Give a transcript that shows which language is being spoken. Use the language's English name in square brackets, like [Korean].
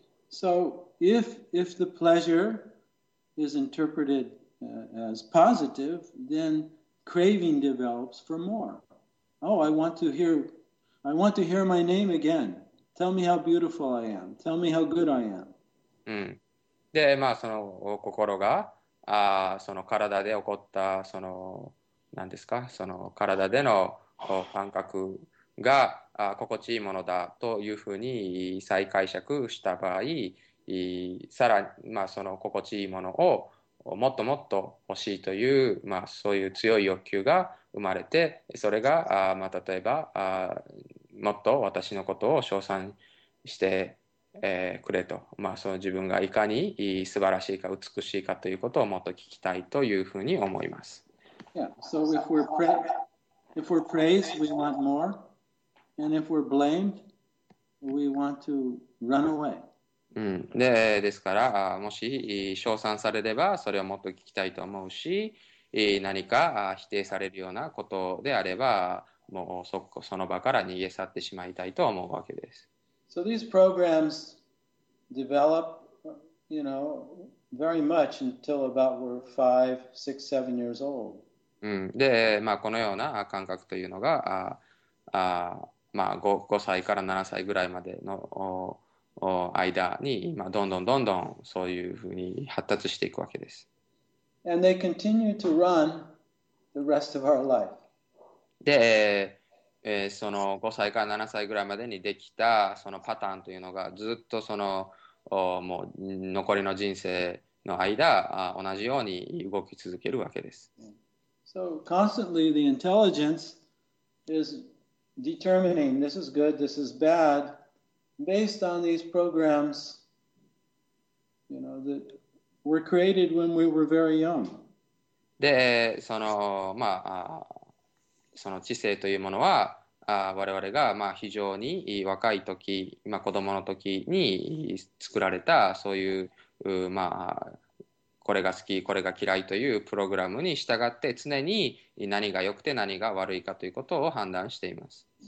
[English] So, if the pleasure is interpreted as positive, then craving develops for more. Oh, I want to hear my name again. Tell me how beautiful I am. Tell me how good I am. うん。 [Japanese] で、まあ、その心が、その体で起こった、その、何ですか、その体での感覚が、心地いいものだというふうに再解釈した場合、さらに、まあ、その心地いいものをもっともっと欲しいという、まあ、そういう強い欲求が生まれて、それが、まあ、例えば、もっと私のことを称賛して、くれと、まあ、その自分がいかに素晴らしいか美しいかということをもっと聞きたいというふうに思います。 Yeah. [English] So if we're praised, we want more. And if we're blamed, we want to run away. うん。 [Japanese] で、ですから、もし称賛されれば、それをもっと聞きたいと思うし、何か否定されるようなことであれば、もうその場から逃げ去ってしまいたいと思うわけです。 [English] So these programs develop, you know, very much until about we're 5, 6, 7 years old. うん。 [Japanese] で、まあ、このような感覚というのが、まあ、5歳から7歳ぐらいまでの間に、まあ、どんどんどんどんそういうふうに発達していくわけです。 [English] And they continue to run the rest of our life. [Japanese] で、その5歳から7歳ぐらいまでにできたそのパターンというのがずっとそのもう残りの人生の間同じように動き続けるわけです。 [English] So constantly the intelligence isDetermining this is good, this is bad, based on these programs, you know, that were created when we were very young. [Japanese] で、その、まあ、その知性というものは、我々が、まあ、非常に若い時、まあ、子供の時に作られたそういう、まあ、これが好きこれが嫌いというプログラムに従って常に何が良くて何が悪いかということを判断しています。